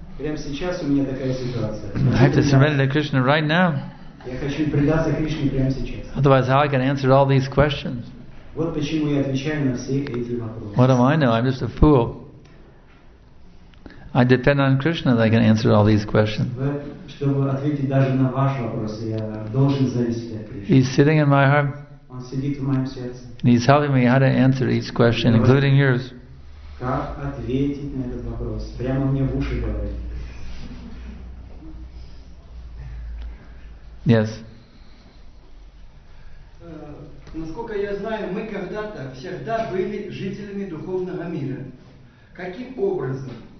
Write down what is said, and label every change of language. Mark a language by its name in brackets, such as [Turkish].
[Russian] Прямо сейчас у меня такая ситуация. [English] I have to surrender to Krishna right now. [Russian] Я хочу предаться Кришне прямо сейчас. [English] Otherwise, how I can answer all these questions? [Russian] Вот почему я отвечаю на все эти вопросы. [English] What do I know? I'm just a fool. I depend on Krishna that I can answer all these questions. [Russian] Чтобы ответить даже на ваши вопросы, я должен зависеть от Кришны. [English] He's sitting in my heart. [Russian] Он сидит в моем сердце. [English] And he's helping me how to answer each question, yeah, including yours. [Russian] Как ответить на этот вопрос? Прямо мне в уши говорит. [English] Yes. [Russian] Насколько я знаю, мы когда-то всегда были жителями духовного мира. Каким образом?